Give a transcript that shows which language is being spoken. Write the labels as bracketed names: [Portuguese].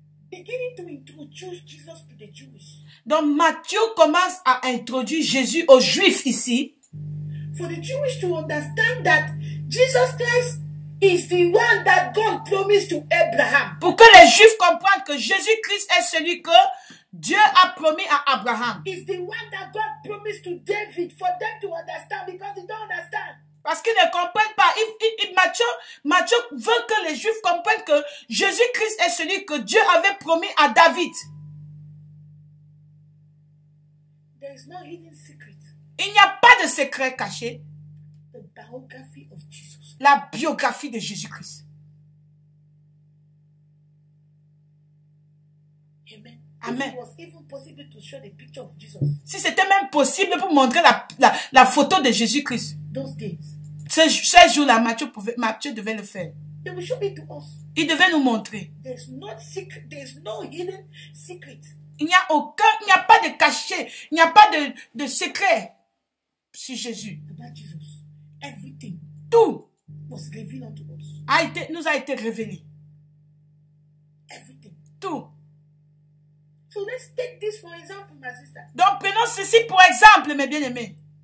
[English] Beginning to introduce Jesus to the Jews. [French] Donc, Matthieu commence à introduire Jésus aux Juifs ici. [English] For the Jews to understand that Jesus Christ. Is the one that God promised to Abraham. [French] Pour que les Juifs comprennent que Jésus-Christ est celui que Dieu a promis à Abraham. [English] Is the one that God promised to David for them to understand because they don't understand. [French] Parce qu'ils ne comprennent pas. Matthieu veut que les Juifs comprennent que Jésus-Christ est celui que Dieu avait promis à David. [English] There is no hidden secret. [French] Il n'y a pas de secret caché. [English] The biography of Jesus. [French] La biographie de Jésus-Christ. Amen. Amen. [English] It was even possible to show the picture of Jesus. [French] Si c'était même possible pour montrer la photo de Jésus-Christ. [English] Those days. [French] Ce jour-là, Matthieu devait le faire. [English] They will show it to us. [French] Il devait nous montrer. [English] There's no secret. There's no hidden secret. [French] Il n'y a pas de cachet. Il n'y a pas de secret sur Jésus. [English] About Jesus. Everything. [French] Tout. [English] Was revealed unto us. [French] Nous a été révélé. [English] Everything. [French] Tout. [English] So let's take this for example, my sister. [French] Donc prenons ceci pour exemple, mes bien-aimés.